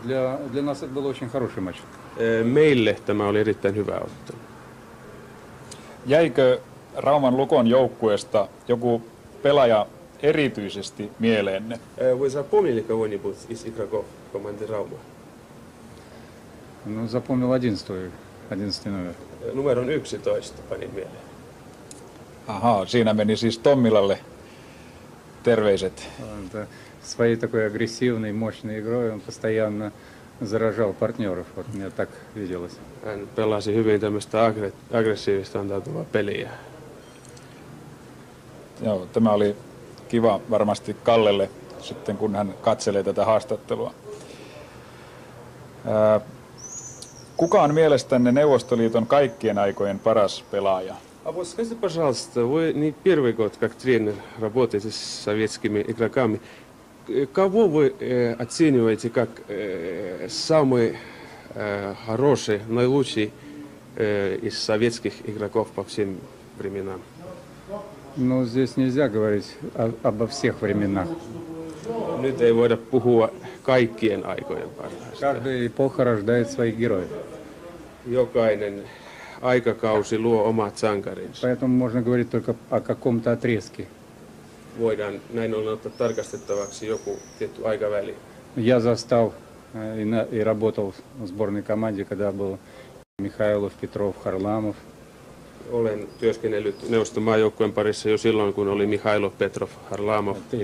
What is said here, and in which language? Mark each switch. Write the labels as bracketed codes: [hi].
[ru] Для нас это был очень хороший матч. [fi] Meille tämä oli erittäin hyvä ottelu. Jäikö Rauman Lukon joukkueesta joku pelaaja erityisesti mieleenne? [ru] Вы запомнили кого-нибудь из игроков команды Рауман? Ну, запомнил 11 номер. [fi] Numero 11 panin mieleen. Aha, siinä meni siis Tommilalle terveiset. [ru] Своей такой агрессивной, мощной игрой он постоянно заражал партнеров, вот мне так виделось. [fi] Hän pelasi hyvin tämmöistä aggressiivista antautuvaa peliä. Joo, tämä oli kiva varmasti Kallelle sitten, kun hän katselee tätä haastattelua. Kuka on mielestänne Neuvostoliiton kaikkien aikojen paras pelaaja? [ru] Скажите, пожалуйста, вы не первый год как тренер работаете с советскими игроками. Кого вы оцениваете как самый хороший, наилучший из советских игроков по всем временам? Ну, здесь нельзя говорить обо всех временах. [fi] Nyt ei voida puhua kaikkien aikojen parhaista. [ru] Каждая эпоха рождает своих героев. [fi] Jokainen aikakausi luo omat sankarinsa. [ru] Поэтому можно говорить только о каком-то отрезке. [fi] Voidaan näin ollen ottaa tarkastettavaksi joku tietty aikaväli. [ru] Я застал и работал в сборной команде, когда был Михайлов, Петров, Харламов. [fi] Olen työskennellyt neuvostomaajoukkueen parissa jo silloin, kun oli Mihailov, Petrov, Harlamov.